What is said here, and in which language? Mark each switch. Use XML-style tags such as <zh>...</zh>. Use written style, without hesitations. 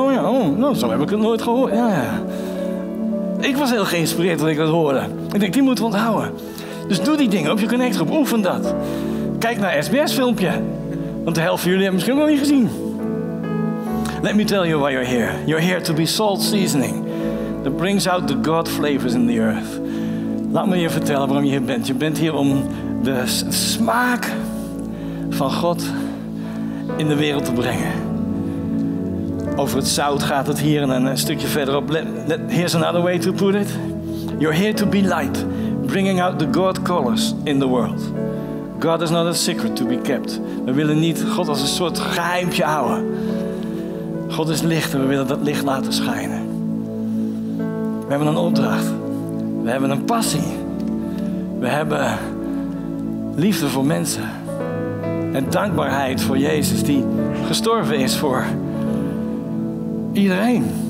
<nl>Oh ja, oh, nou, zo heb ik het nooit gehoord. Ja, ja. Ik was heel geïnspireerd toen ik dat hoorde. Ik denk, die moeten we onthouden. Dus doe die dingen op je connectgroep. Oefen dat. Kijk naar SBS-filmpje. Want de helft van jullie hebben misschien nog niet gezien.</nl> <en>Let me tell you why you're here. You're here to be salt seasoning. That brings out the God flavors in the earth.</en> <nl>Laat me je vertellen waarom je hier bent. Je bent hier om de smaak van God in de wereld te brengen. Over het zout gaat het hier en een stukje verderop.</nl> <en>Here's another way to put it. You're here to be light, bringing out the God colors in the world. God is not a secret to be kept.</en> <nl>We willen niet God als een soort geheimtje houden. God is licht en we willen dat licht laten schijnen. We hebben een opdracht. We hebben een passie. We hebben liefde voor mensen. En dankbaarheid voor Jezus die gestorven is voor iedereen.</nl>